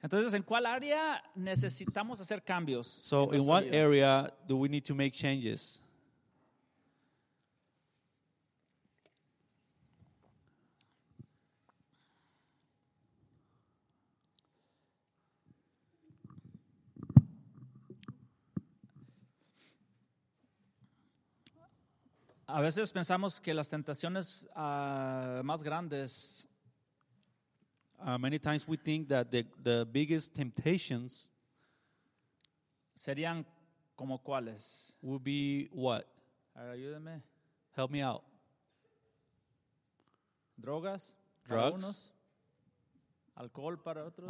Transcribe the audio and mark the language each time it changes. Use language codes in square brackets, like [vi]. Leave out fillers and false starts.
[es] Entonces, ¿en cuál área necesitamos hacer cambios? [en] So, in what area do we need to make changes? [es] A veces pensamos que las tentaciones más grandes. [en] Many times we think that the biggest temptations. [es] Serían como cuáles. [en] Would be what? [es] Ayúdame. [en] Help me out. [es] Drogas. [en] Drugs. [es] Algunos. Alcohol para otros.